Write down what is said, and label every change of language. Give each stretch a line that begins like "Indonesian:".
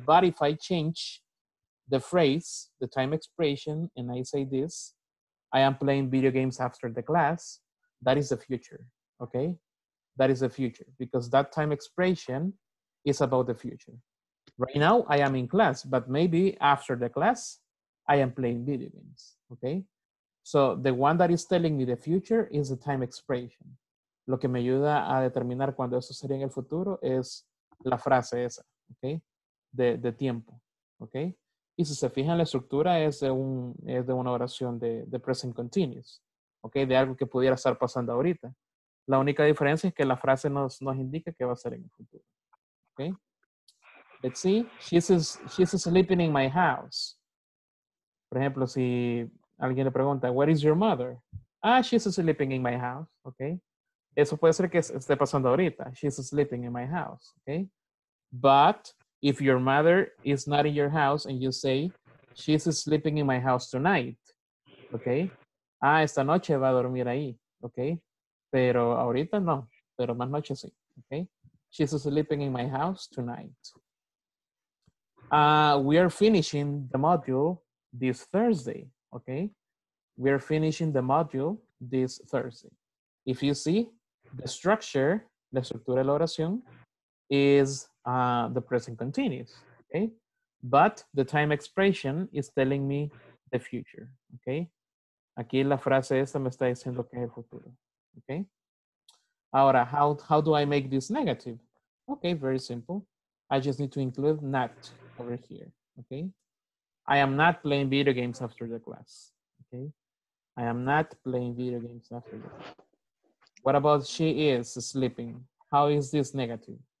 English: But if I change the phrase, the time expression, and I say this, I am playing video games after the class, that is the future, okay? That is the future, because that time expression is about the future. Right now, I am in class, but maybe after the class, I am playing video games, okay? So the one that is telling me the future is the time expression.
Spanish: Lo que me ayuda a determinar cuando eso sería en el futuro es la frase esa, okay? De tiempo, okay? Y si se fijan, la estructura es de una oración de present continuous, okay? De algo que pudiera estar pasando ahorita. La única diferencia es que la frase nos indica que va a ser en el futuro, okay?
English: Let's see, she's sleeping in my house.
Spanish: Por ejemplo, si alguien le pregunta,
English: where is your mother?
Spanish: Ah,
English: she's sleeping in my house,
Spanish: okay? Eso puede ser que esté pasando ahorita.
English: She's sleeping in my house, okay? But if your mother is not in your house and you say, she's sleeping in my house tonight, okay?
Spanish: Ah, esta noche va a dormir ahí, okay? Pero ahorita no, pero más noche sí, okay?
English: She's sleeping in my house tonight. We are finishing the module this Thursday, okay? We are finishing the module this Thursday. If you see, the structure,
Spanish: la estructura de la oración,
English: is the present continuous, okay? But the time expression is telling me the future, okay?
Spanish: Aquí la frase esta me está diciendo que es el futuro, okay?
English: Ahora, how do I make this negative? Okay, very simple. I just need to include not over here, okay? I am not playing video games after the class, okay? I am not playing video games after the class. What about she is sleeping? How is this negative?